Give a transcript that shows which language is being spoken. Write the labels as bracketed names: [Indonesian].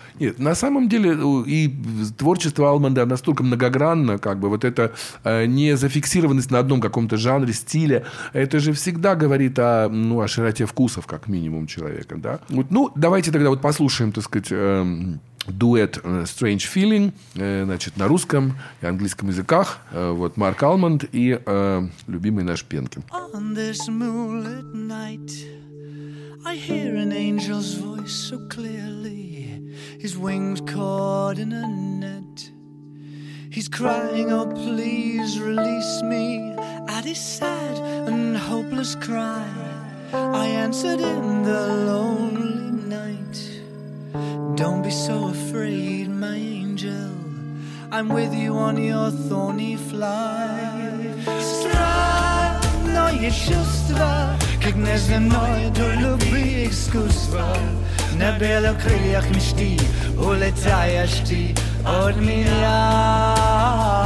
[Russian] Нет, на самом деле и творчество Алмана настолько многогранно, как бы вот эта не зафиксированность на одном каком-то жанре, стиле, это же всегда говорит о, ну, о широте вкусов, как минимум, человека. Да? Вот, ну, давайте тогда вот послушаем, так сказать, дуэт «Strange Feeling», значит, на русском и английском языках, вот Марк Алман и любимый наш Пенкин. [English] On this moonlit night I hear an angel's voice so clearly. His wings caught in a net. He's crying, oh please release me. At his sad and hopeless cry I answered in the lonely night. Don't be so afraid, my angel, I'm with you on your thorny flight. [Russian] Страдное чувство, как неземное до любви искусства. На белых крыльях мечты улетаешь ты от меня.